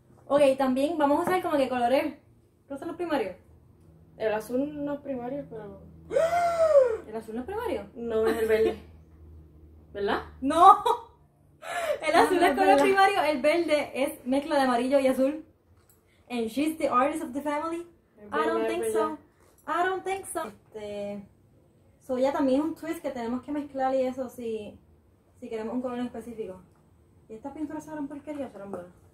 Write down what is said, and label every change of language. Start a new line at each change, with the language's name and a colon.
Spanish: Ok, también vamos a usar como que colores. ¿Cuáles son los primarios? El azul no es primario, pero. ¿El azul no es primario? No, es el verde. ¿Verdad? ¡No! El azul es color primario, el verde es mezcla de amarillo y azul.
English: And she's the artist of the family. I don't think so.
Spanish: So ya también es un twist que tenemos que mezclar y eso si queremos un color específico. Y estas pinturas serán porquerías, serán buenas.